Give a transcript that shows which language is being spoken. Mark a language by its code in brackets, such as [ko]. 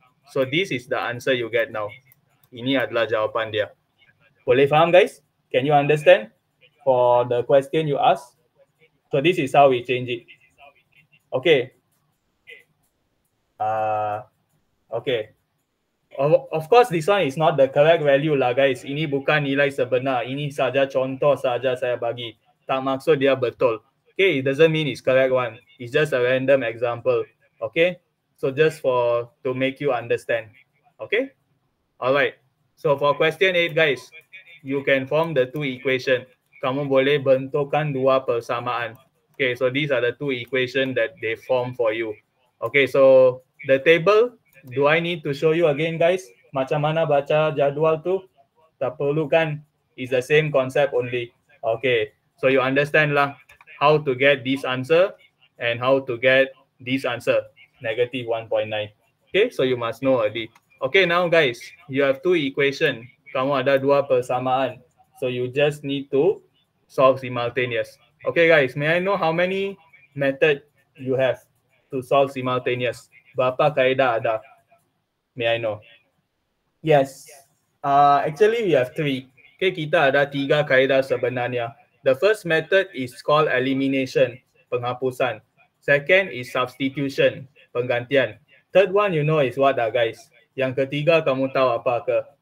[en] So this is the answer you get now. [ms] Ini adalah jawapan dia. Boleh faham guys? [en] Can you understand for the question you ask? So this is how we change it. Okay. Okay. Of course, this one is not the correct value lah, guys. [ms] Ini bukan nilai sebenar. Ini saja contoh saja saya bagi. Tak maksud dia betul. [en] Okay, it doesn't mean it's correct one. It's just a random example. Okay, so just for to make you understand. Okay, all right. So for question 8, guys, you can form the two equation. [ms] Kamu boleh bentukkan dua persamaan. [en] Okay, so these are the two equation that they form for you. Okay, so the table. Do I need to show you again, guys? [ms] Macam mana baca jadual tu? Tak perlu kan? [en] It's the same concept only. Okay, so you understand lah how to get this answer and how to get this answer, -1.9. Okay, so you must know already. Okay, now guys, you have two equation. [ms] Kamu ada dua persamaan. [en] So you just need to solve simultaneous. Okay, guys, may I know how many method you have to solve simultaneous? [ms] Berapa kaedah ada? [en] May I know? Yes. Actually, we have three. Okay, [ms] kita ada tiga kaedah sebenarnya. [en] The first method is called elimination, penghapusan. Second is substitution, penggantian. Third one you know is what dah, guys? [ms] Yang ketiga kamu tahu apa ke?